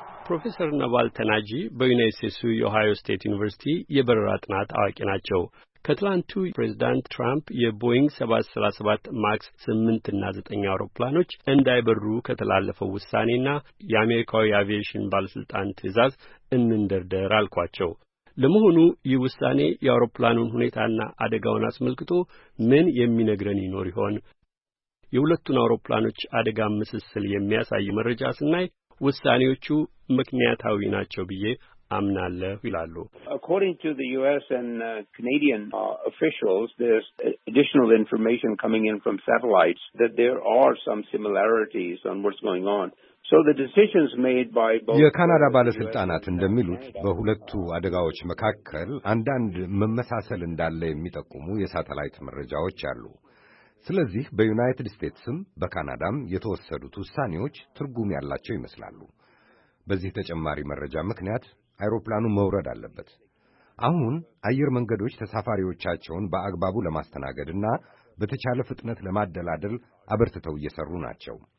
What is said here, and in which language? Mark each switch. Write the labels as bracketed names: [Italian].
[Amharic] ፕሮፌሰር ነባል ተናጂ በዩናይትድ ስቴትስ የኦሃዮ ስቴት ዩኒቨርሲቲ የበረራ ጥናት አዋቂ ናቸው። ከትላንቱ ፕሬዝዳንት ትራምፕ የቦይንግ 737 ማክስ 8 እና 9 አውሮፕላኖች እንዳይበሩ ከተላለፈው ውሳኔና የአሜሪካው የአቪዬሽን ባለስልጣን ትዕዛዝ እንደርደር አልኳቸው። ለመሆኑ ይህ ውሳኔ የአውሮፕላኑን ሁኔታና አደጋውን አስመልክቶ ምን የሚነግረን ይኖር ይሆን? የሁለቱን አውሮፕላኖች አደጋ ምስስል የሚያሳይ መረጃ ስናይ ውሳኔዎቹ ምክንያታዊ ናቸው ብዬ አምናለሁ ይላሉ። [English] According to the US and Canadian officials, there's additional information coming in from satellites that there are some similarities on what's going on. So the decisions made by both [Amharic] የካናዳ ባለስልጣናት እንደሚሉት በሁለቱ አደጋዎች መካከል አንዳንድ መመሳሰል እንዳለ የሚጠቁሙ የሳተላይት መረጃዎች አሉ። ስለዚህ በዩናይትድ ስቴትስም በካናዳም የተወሰዱት ውሳኔዎች ትርጉም ያላቸው ይመስላሉ። በዚህ ተጨማሪ መረጃ ምክንያት አይሮፕላኑ መውረድ አለበት። አሁን አየር መንገዶች ተሳፋሪዎቻቸውን በአግባቡ ለማስተናገድና በተቻለ ፍጥነት ለማደላደል አበርትተው እየሰሩ ናቸው።